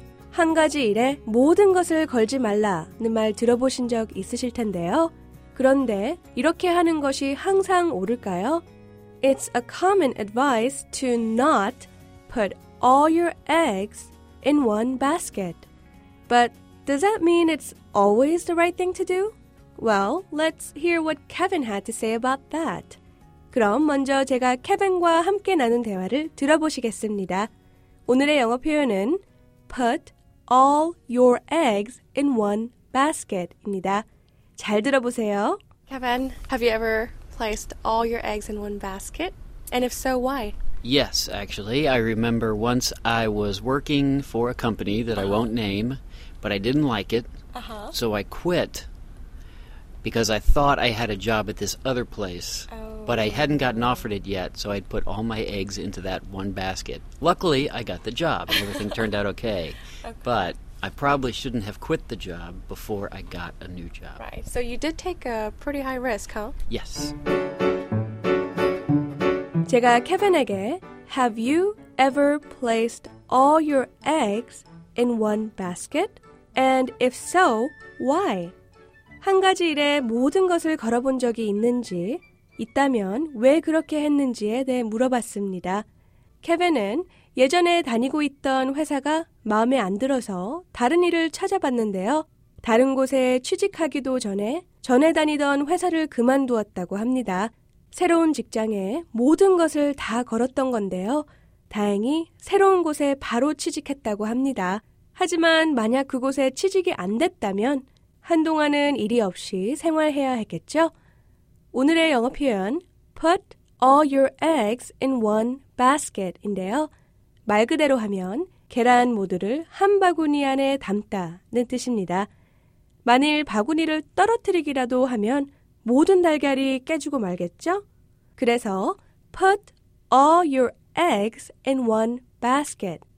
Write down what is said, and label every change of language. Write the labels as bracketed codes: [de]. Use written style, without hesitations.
[ko] 한 가지 일에 모든 것을 걸지 말라는 말 들어보신 적 있으실 텐데요. 그런데 이렇게 하는 것이 항상 옳을까요? [en] It's a common advice to not put all your eggs in one basket. But does that mean it's always the right thing to do? Well, let's hear what Kevin had to say about that. [ko] 그럼 먼저 제가 케빈과 함께 나눈 대화를 들어보시겠습니다. 오늘의 영어 표현은 [en] put all your eggs in one basket [ko] 입니다. 잘 들어보세요. [en] Kevin, have you ever placed all your eggs in one basket? And if so, why? Yes, actually. I remember once I was working for a company that I won't name, but I didn't like it. So I quit because I thought I had a job at this other place. But I hadn't gotten offered it yet, so I'd put all my eggs into that one basket. Luckily, I got the job, and everything turned out okay. But I probably shouldn't have quit the job before I got a new job. Right, so you did take a pretty high risk, huh? Yes. [ko] 제가 케빈에게, [en] Have you ever placed all your eggs in one basket? And if so, why? [ko] 한 가지 일에 모든 것을 걸어본 적이 있는지, 있다면 왜 그렇게 했는지에 대해 물어봤습니다. 케빈은 예전에 다니고 있던 회사가 마음에 안 들어서 다른 일을 찾아봤는데요. 다른 곳에 취직하기도 전에 다니던 회사를 그만두었다고 합니다. 새로운 직장에 모든 것을 다 걸었던 건데요. 다행히 새로운 곳에 바로 취직했다고 합니다. 하지만 만약 그곳에 취직이 안 됐다면 한동안은 일이 없이 생활해야 했겠죠? 오늘의 영어 표현, [en] put all your eggs in one basket [ko] 인데요. 말 그대로 하면 계란 모두를 한 바구니 안에 담다는 뜻입니다. 만일 바구니를 떨어뜨리기라도 하면 모든 달걀이 깨지고 말겠죠? 그래서 [en] put all your eggs in one basket.